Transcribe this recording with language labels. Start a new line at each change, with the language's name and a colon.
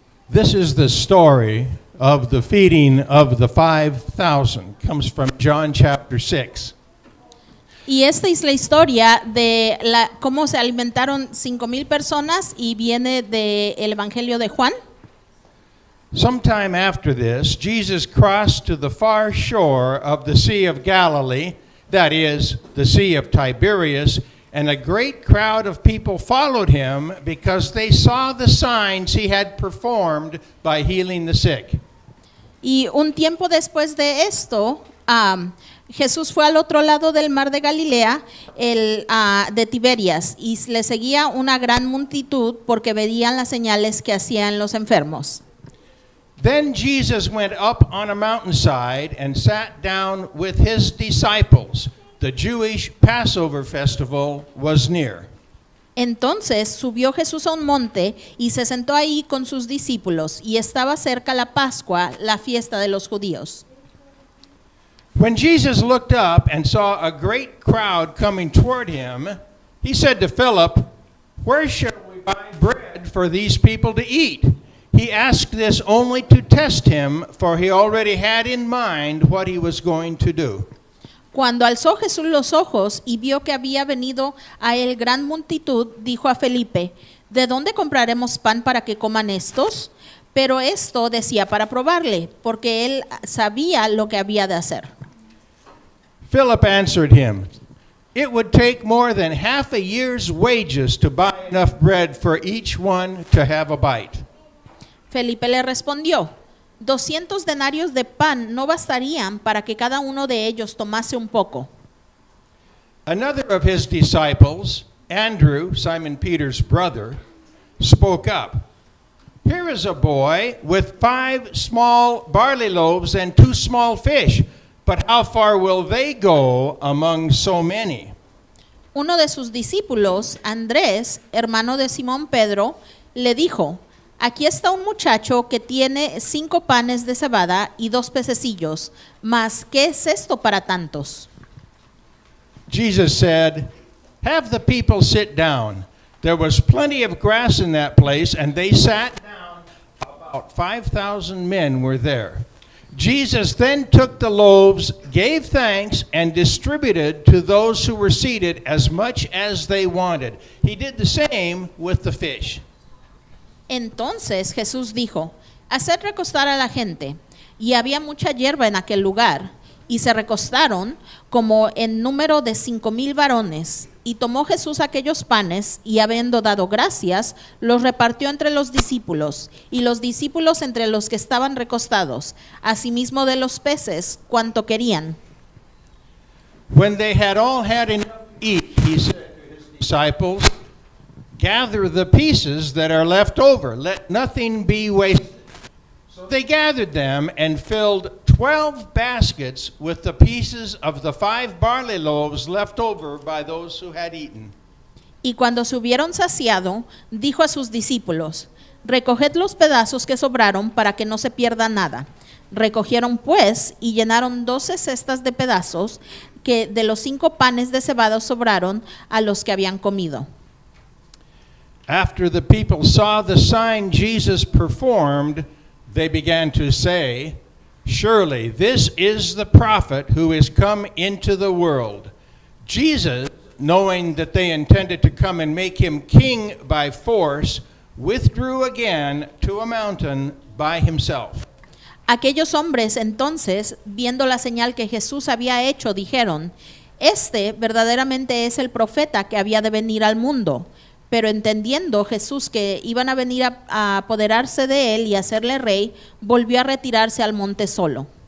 English: This is the story of the feeding of the 5,000. Comes from John chapter 6.
Spanish: Y esta es la historia de la cómo se alimentaron 5,000 personas y viene del Evangelio de Juan.
English: Sometime after this, Jesus crossed to the far shore of the Sea of Galilee, that is, the Sea of Tiberias, and a great crowd of people followed him because they saw the signs he had performed by healing the sick.
Spanish: Y un tiempo después de esto, Jesús fue al otro lado del mar de Galilea, de Tiberias, y le seguía una gran multitud porque veían las señales que hacían los enfermos.
English: Then Jesus went up on a mountainside and sat down with his disciples. The Jewish Passover festival was near.
Spanish: Entonces subió Jesús a un monte y se sentó ahí con sus discípulos, y estaba cerca la Pascua, la fiesta de los judíos.
English: When Jesus looked up and saw a great crowd coming toward him, he said to Philip, "Where shall we buy bread for these people to eat?" He asked this only to test him, for he already had in mind what he was going to do.
Spanish: Cuando alzó Jesús los ojos y vio que había venido a él gran multitud, dijo a Felipe, ¿De dónde compraremos pan para que coman estos? Pero esto decía para probarle, porque él sabía lo que había de hacer.
English: Philip answered him, It would take more than half a year's wages to buy enough bread for each one to have a bite.
Spanish: Felipe le respondió, 200 denarios de pan no bastarían para que cada uno de ellos tomase un poco.
English: Another of his disciples, Andrew, Simon Peter's brother, spoke up. Here is a boy with 5 small barley loaves and 2 small fish, but how far will they go among so many?
Spanish: Uno de sus discípulos, Andrés, hermano de Simón Pedro, le dijo, Aquí está un muchacho que tiene 5 panes de cebada y 2 pececillos. ¿Mas qué es esto para tantos?
English: Jesus said, Have the people sit down. There was plenty of grass in that place, and they sat down. About 5,000 men were there. Jesus then took the loaves, gave thanks, and distributed to those who were seated as much as they wanted. He did the same with the fish.
Spanish: Entonces Jesús dijo, Haced recostar a la gente. Y había mucha hierba en aquel lugar. Y se recostaron como en número de 5,000 varones. Y tomó Jesús aquellos panes, y habiendo dado gracias, los repartió entre los discípulos, y los discípulos entre los que estaban recostados, asimismo de los peces, cuanto querían.
English: When they had all had enough to eat, he said to his disciples, Gather the pieces that are left over. Let nothing be wasted. So they gathered them and filled 12 baskets with the pieces of the 5 barley loaves left over by those who had eaten.
Spanish: Y cuando se hubieron saciado, dijo a sus discípulos, Recoged los pedazos que sobraron para que no se pierda nada. Recogieron pues y llenaron 12 cestas de pedazos que de los 5 panes de cebada sobraron a los que habían comido.
English: After the people saw the sign Jesus performed, they began to say, Surely this is the prophet who is come into the world. Jesus, knowing that they intended to come and make him king by force, withdrew again to a mountain by himself.
Spanish: Aquellos hombres entonces, viendo la señal que Jesús había hecho, dijeron, Este verdaderamente es el profeta que había de venir al mundo. Pero entendiendo Jesús que iban a venir a apoderarse de él y hacerle rey, volvió a retirarse al monte solo.